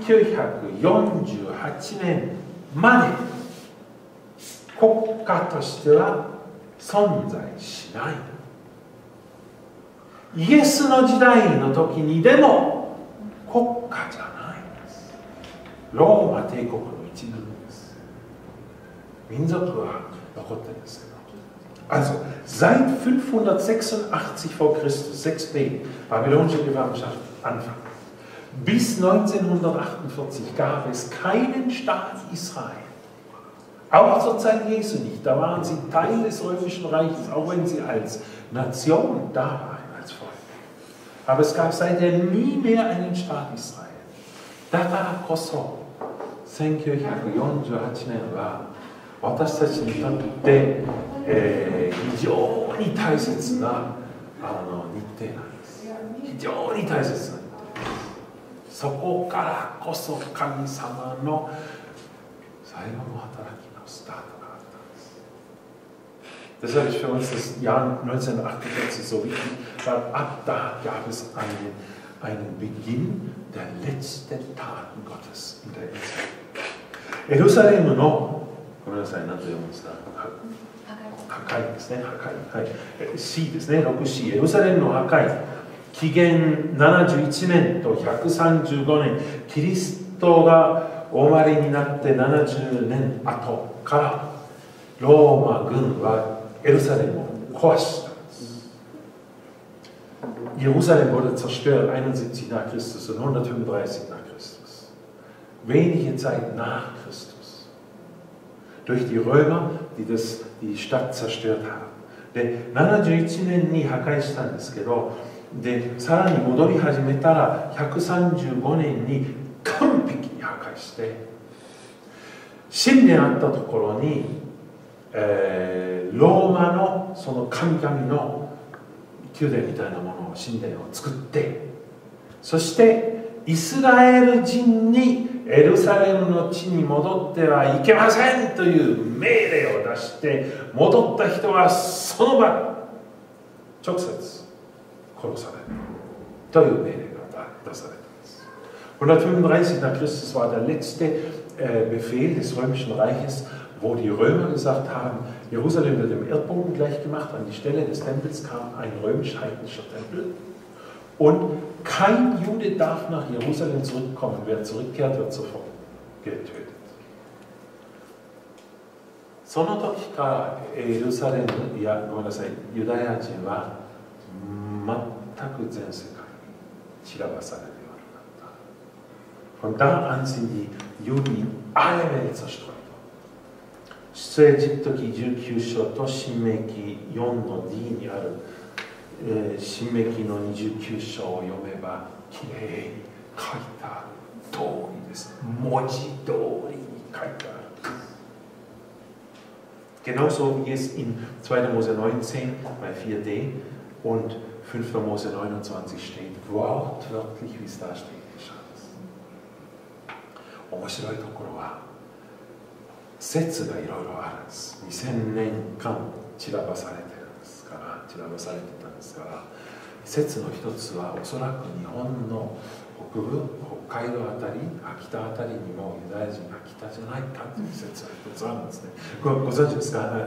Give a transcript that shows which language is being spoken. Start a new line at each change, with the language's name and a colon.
Japanese: 1948年まで国家としては存在しない。イエスの時代の時にでも国家じゃないんです。ローマ帝国の一部です。民族は残ってるんですけど、
German: Also seit 586 vor Christus 6b babylonische Gewerkschaft Anfang bis 1948 gab es keinen Staat Israel, auch zur Zeit Jesu nicht. Da waren sie Teil des römischen Reiches, auch wenn sie als Nation da waren, als Volk. Aber es gab seitdem nie mehr einen Staat Israel. Da war Kosovo.
Japanese: 1948 war私たちにとって、非常に大切なあの日程なんです。非常に大切な日程です。そこからこそ神様の最後の働きのスタートがあったんです。
German: Das habe ich für uns das Jahr 1948 so wichtig, weil ab da gab es einen Beginn der letzten Taten Gottes in der Israel.
Japanese: エルサレムのごめんなさい、何と読むんですか。破壊ですね、破壊、はい、C ですね、6C、エルサレムの破壊、紀元71年と135年、キリストがお生まれになって70年後から、ローマ軍はエルサレムを壊したんです。
German: エルサレムは71 nach Christus und 135 nach Christus。 Wenige Zeit nach Christus。 durch die Römer, die das, die Stadt zerstört haben.
Japanese: で、71年に破壊したんですけど、で、さらに戻り始めたら、135年に完璧に破壊して、神殿あったところに、ローマのその神々の宮殿みたいなものを、神殿を作って、そしてイスラエル人にエルサレムの地に戻ってはいけませんという命令を出して、戻った人はその場直接殺されるという命令が出されたんです。
German: 135 nach Christus war der letzte Befehl des römischen Reiches, wo die Römer gesagt haben, Jerusalem wird dem Erdboden gleich gemacht, an die Stelle des Tempels kam ein römisch-heidnischer Tempel. Und kein Jude darf nach Jerusalem zurückkommen. Wer zurückkehrt, wird sofort getötet.
Japanese: その時からエルサレム、いや、ごめんなさい、ユダヤ人は全く全世界に散らばされるようになった。
German: Von da an sind die Juden in alle Welt zerstreut.
Japanese: 出エジプト記19章と申命記4の D にある新明記の29章を読めばきれいに書いた通りです。文字通りに書いてある。
German: Genauso wie es in 2. Mose 19 bei 4d und 5. Mose 29 steht, wortwörtlich wie es da steht geschah es.
Japanese: 面白いところは説がいろいろあるんです。 2000年間散らばされてるんですから、散らばされてた説の一つは、おそらく日本の北部、北海道あたり、秋田あたりにもユダヤ人が来たじゃないかという説が一つあるんですね。ご存知ですか？